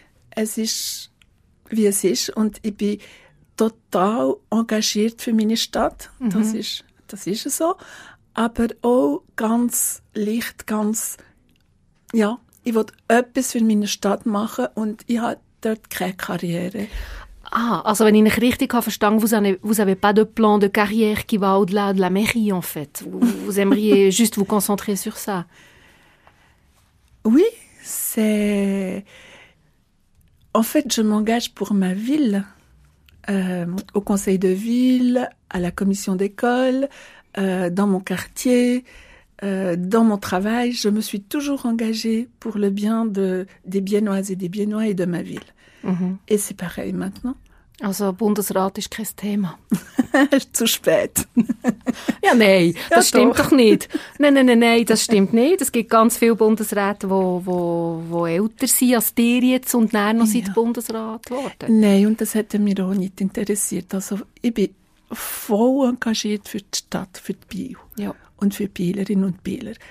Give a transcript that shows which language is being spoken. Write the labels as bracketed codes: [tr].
[de] Es ist, wie es ist. Und ich bin total engagiert für meine Stadt. Das ist so. Aber auch ganz leicht, ganz, ja, ich will etwas für meine Stadt machen und ich habe dort keine Karriere. Ah, also wenn ich mich richtig verstanden habe, [fr] vous avez pas de plan de carrière qui va au-delà de la mairie, en fait. Vous aimeriez juste vous concentrer sur ça. Oui, c'est... En fait, je m'engage pour ma ville, au conseil de ville, à la commission d'école, dans mon quartier, dans mon travail. Je me suis toujours engagée pour le bien des Biennoises et des Biennois et de ma ville. Et c'est pareil maintenant. [de] Also Bundesrat ist kein Thema. Zu spät. Ja, nein, das stimmt doch nicht. Nein, das stimmt nicht. Es gibt ganz viele Bundesräte, wo älter sind als dir jetzt und dann noch sind Bundesrat geworden. Nein, und das hätte mich auch nicht interessiert. Also ich bin voll engagiert für die Stadt, für die Bio und für Bielerinnen und Bieler.